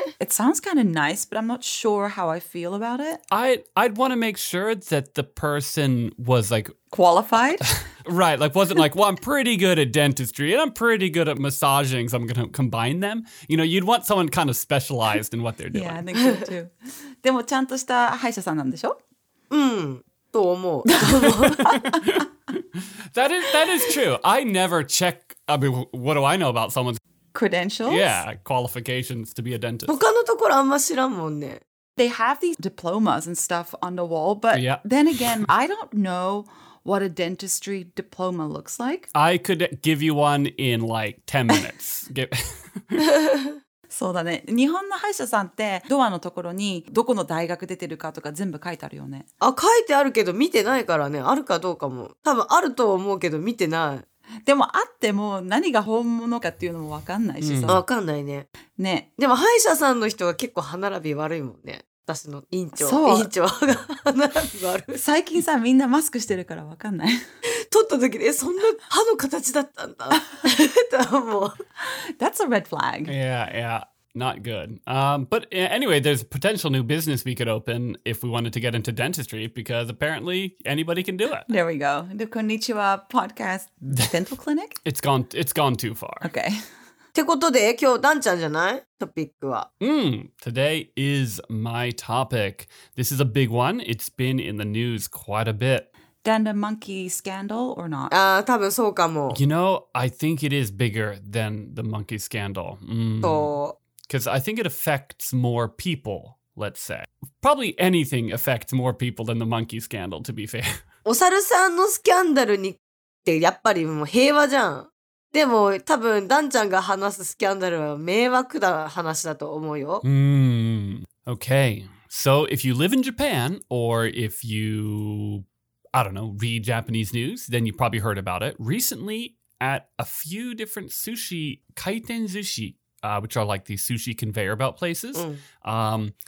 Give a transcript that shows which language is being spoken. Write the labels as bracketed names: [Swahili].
[English] It sounds kind of nice, but I'm not sure how I feel about it. I'd want to make sure that the person was like... Qualified? Right, like wasn't like, well, I'm pretty good at dentistry and I'm pretty good at massaging, so I'm going to combine them. You know, you'd want someone kind of specialized in what they're doing. Yeah, I think so too. [Japanese] でもちゃんとした歯医者さんなんでしょ？と思う。 [English] That is true. I never check, I mean, what do I know about someone's... Credentials? Yeah, qualifications to be a dentist. [Japanese] 他のところあんま知らんもんね。 [English] They have these diplomas and stuff on the wall, but then again, I don't know... What a dentistry diploma looks like? I could give you one in like 10 minutes. [Japanese] そうだね。日本の歯医者さんってドアのところにどこの大学出てるかとか全部書いてあるよね。あ、書いてあるけど見てないからね。あるかどうかも。多分あると思うけど見てない。でもあっても何が本物かっていうのも分かんないしさ、うん、分かんないね。ね。でも歯医者さんの人は結構歯並び悪いもんね。私の院長、そう、院長が歯並び悪い。最近さみんなマスクしてるから分かんない。撮った時でそんな歯の形だったんだ。だもう。 [English] That's a red flag. Yeah, yeah. Not good. But anyway, there's a potential new business we could open if we wanted to get into dentistry, because apparently anybody can do it. There we go. The Konnichiwa Podcast Dental Clinic? It's gone too far. Okay. [Japanese] てことで、今日ダンちゃんじゃない？トピックは。 [English] Today is my topic. This is a big one. It's been in the news quite a bit. Dandan monkey scandal or not? [Japanese] ああ、多分そうかも。 [English] You know, I think it is bigger than the monkey scandal. [Japanese] そう。 [English] Because I think it affects more people, let's say. Probably anything affects more people than the monkey scandal, to be fair. [Japanese] お猿さんのスキャンダルにってやっぱりもう平和じゃん。でも多分ダンちゃんが話すスキャンダルは迷惑な話だと思うよ。 [English] Okay. So if you live in Japan, or if you, I don't know, read Japanese news, then you probably heard about it. Recently, at a few different sushi, kaiten sushi,which are like these sushi conveyor belt places.、Mm.